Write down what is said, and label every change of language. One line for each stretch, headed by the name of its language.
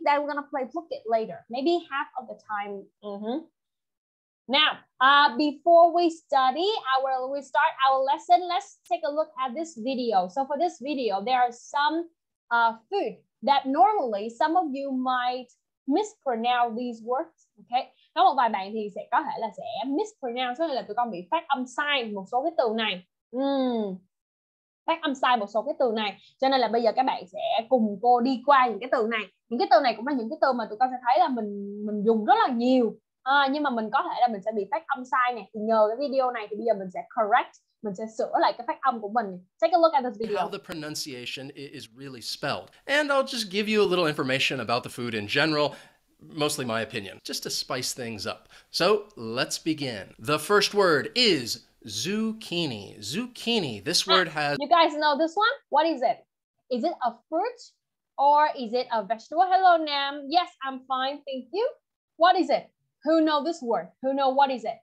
English: Then we're gonna play Phuket later, maybe half of the time. Now, before we study, we start our lesson, let's take a look at this video. So for this video, there are some food that normally some of you might mispronounce these words, okay?
Vietnamese: Có một vài bạn thì sẽ có thể là sẽ mispronounce, có nghĩa là tụi con bị phát âm sai một số cái từ này. Phát âm sai một số cái từ này. Cho nên là bây giờ các bạn sẽ cùng cô đi qua những cái từ này. Những cái từ này cũng là những cái từ mà tụi con sẽ thấy là mình dùng rất là nhiều. À, nhưng mà mình có thể là mình sẽ bị phát âm sai này. Thì nhờ cái video này thì bây giờ mình sẽ correct, mình sẽ sửa lại cái phát âm của mình.
English: Take a look at this video. How the pronunciation is really spelled. And I'll just give you a little information about the food in general, mostly my opinion, just to spice things up. So let's begin. The first word is zucchini. Zucchini. This word has... You guys know this one? What is it? Is it a fruit or is it a vegetable? Hello, Nam. Yes, I'm fine. Thank you. What is it? Who know this word? Who know what is it?